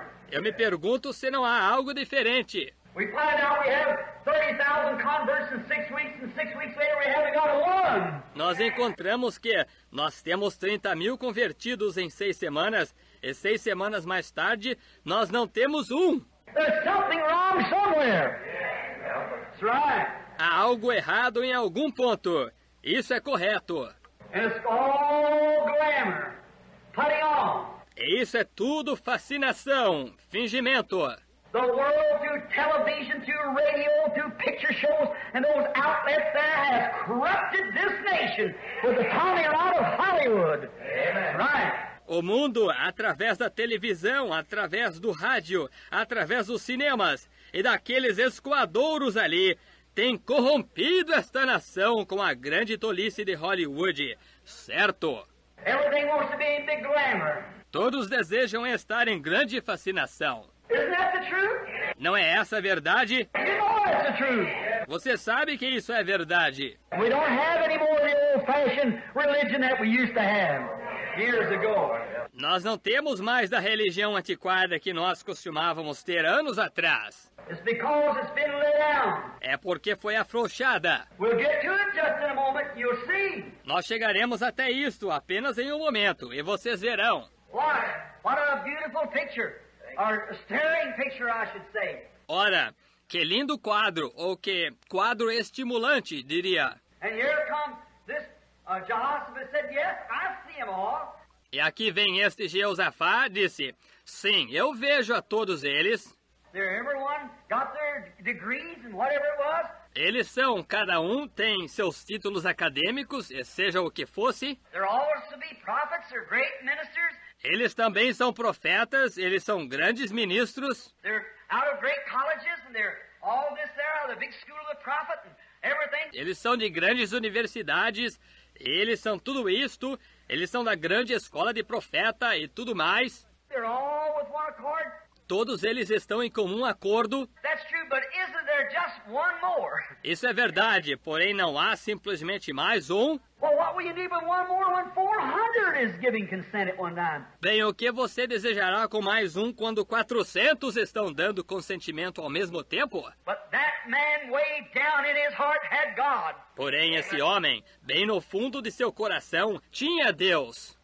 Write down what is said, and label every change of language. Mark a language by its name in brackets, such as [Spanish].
[Portuguese] Eu me pergunto se não há algo diferente. [English] We find out we have 30,000 converts in 6 weeks, and 6 weeks later we haven't got one. [Portuguese] Nós encontramos que nós temos 30 mil convertidos em 6 semanas, e 6 semanas mais tarde nós não temos um. [English] There's something wrong somewhere. That's right. [Portuguese] Há algo errado em algum ponto. Isso é correto. [English] It's all glamour, putting on. [Portuguese] E isso é tudo fascinação, fingimento. [English] The world through television, through radio, through picture shows, and those outlets there has corrupted this nation with the Tommy Rod of Hollywood. Amen. Right. [Portuguese] O mundo, através da televisão, através do rádio, através dos cinemas e daqueles escoadouros ali, tem corrompido esta nação com a grande tolice de Hollywood, certo? [English] Everything wants to be in big glamour. [Portuguese] Todos desejam estar em grande fascinação. [English] Isn't that the truth? [Portuguese] Não é essa a verdade? [English] You know that's the truth. [Portuguese] Você sabe que isso é verdade. [English] We don't have any more the old-fashioned religion that we used to have. Years ago. [Portuguese] Nós não temos mais da religião antiquada que nós costumávamos ter anos atrás. [English] It's because it's been let down. [Portuguese] É porque foi afrouxada. [English] We'll get to it just in a moment, you'll see. [Portuguese] Nós chegaremos até isto apenas em um momento e vocês verão. [English] What a beautiful picture, or a stirring picture, I should say. [Portuguese] Ora, que lindo quadro, ou que quadro estimulante, diria. [English] And here comes this. Jehoshaphat said, yes, I see them all. [Portuguese] E aqui vem este Jeosafá, disse, sim, eu vejo a todos eles. [English] They're everyone got their degrees and whatever it was. [Portuguese] Eles são, cada um tem seus títulos acadêmicos, e seja o que fosse. [English] They're always to be prophets or great ministers. [Portuguese] Eles também são profetas, eles são grandes ministros. [English] They're out of great colleges and they're all this there, out of the big school of the prophet and everything. [Portuguese] Eles são de grandes universidades. Eles são tudo isto, eles são da grande escola de profeta e tudo mais. [English] They're all with one accord. [Portuguese] Todos eles estão em comum acordo. [English] That's true, but isn't there just one more? [Portuguese] Isso é verdade, porém não há simplesmente mais um. [English] Well, what will you need with one more when 400 is giving consent at one time? [Portuguese] Bem, o que você desejará com mais um quando 400 estão dando consentimento ao mesmo tempo? [English] But that man way down in his heart had God. [Portuguese] Porém, esse homem, bem no fundo de seu coração, tinha Deus.